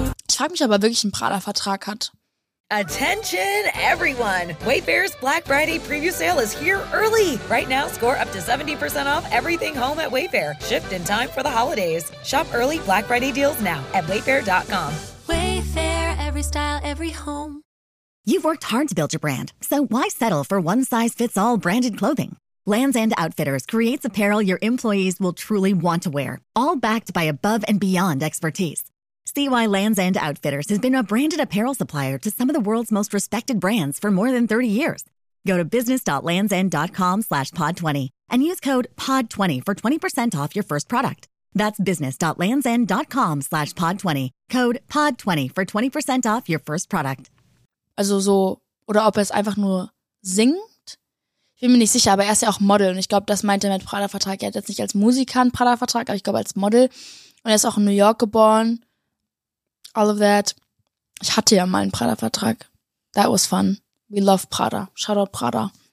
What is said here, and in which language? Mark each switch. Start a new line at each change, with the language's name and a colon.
German: Ich frage mich, ob er wirklich einen Prada-Vertrag hat.
English: Attention, everyone! Wayfair's Black Friday Preview Sale is here early! Right now, score up to 70% off everything home at Wayfair. Shipped in time for the holidays. Shop early Black Friday deals now at Wayfair.com. Wayfair, every style, every home. You've worked hard to build your brand, so why settle for one-size-fits-all branded clothing? Lands' End Outfitters creates apparel your employees will truly want to wear, all backed by above and beyond expertise. See why Lands' End Outfitters has been a branded apparel supplier to some of the world's most respected brands for more than 30 years. Go to business.landsend.com/pod20 and use code POD20 for 20% off your first product. That's business.landsend.com/pod20. Code POD20 for 20% off your first product.
German: Also so, oder ob er es einfach nur singt? Ich bin mir nicht sicher, aber er ist ja auch Model. Und ich glaube, das meinte er mit Prada-Vertrag. Er hat jetzt nicht als Musiker einen Prada-Vertrag, aber ich glaube als Model. Und er ist auch in New York geboren.
English: All of that.
German: Ich hatte ja mal einen Prada-Vertrag.
English: That was fun. We love Prada. Shoutout Prada.